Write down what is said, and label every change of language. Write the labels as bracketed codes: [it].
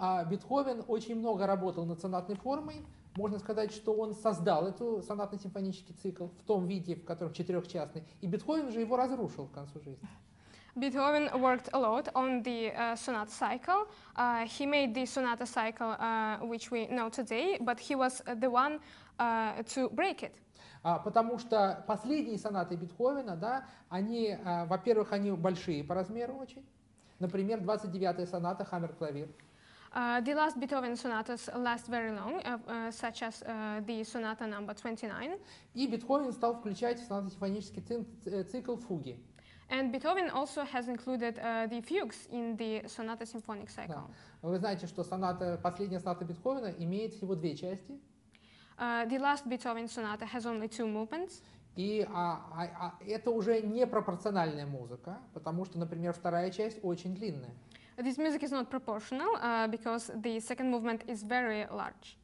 [ru] Бетховен очень много работал над сонатной формой. Можно сказать, что он создал эту сонатно-симфонический цикл в том виде, в котором четырехчастный. И Бетховен же его разрушил к концу жизни. [en] Бетховен worked a lot on the sonata cycle. He made the sonata cycle, which we know today, but he was the one to break it. [ru] Потому что последние сонаты Бетховена, да, они, во-первых, они большие по размеру очень. Например, 29-я соната «Хаммерклавир». [en] The last Beethoven sonatas last very long, such as the sonata number 29. [ru] И Бетховен стал включать в сонатно-симфонический цикл фуги. [en] And Beethoven also has included the fugues in the sonata symphonic cycle. [ru] Да. Вы знаете, что последняя соната Бетховена имеет всего две части. [en] The last Beethoven sonata has only two movements. [ru] И это уже непропорциональная музыка, потому что, например, вторая часть очень длинная. [en] This music is not proportional, because the second movement is very large.